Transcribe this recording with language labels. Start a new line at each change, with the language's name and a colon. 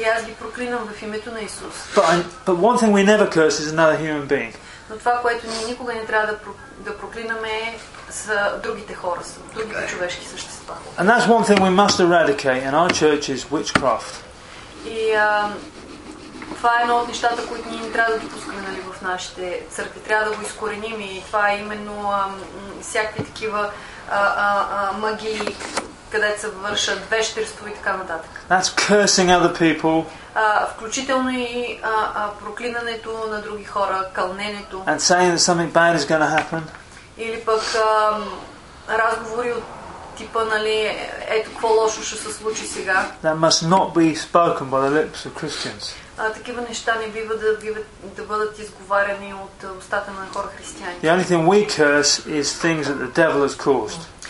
Bulgarian: И аз ги проклинам в името на Исус.
English: But one thing we never curse is another human being.
Bulgarian: Но това, което ние никога не трябва да проклинаме, е за другите хора, са другите човешки същества.
English: And that's one thing we must eradicate in our church is witchcraft.
Bulgarian: И това е едно от нещата, които ние не трябва да допускаме, нали, в нашите църкви. Трябва да го изкореним и това е именно всякакви такива магии, където се вършат вещерство и така нататък.
English: That's cursing other people.
Bulgarian: Включително и проклинането на други хора, кълненето.
English: And saying that something bad is going to happen.
Bulgarian: Или пък разговори от типа, нали, ето какво лошо ще се случи сега.
English: That must not be spoken by the lips of Christians.
Bulgarian: Такива неща не бива да бъдат изговаряни от устата на хора християни.
English: The only thing we curse is things that the devil has caused.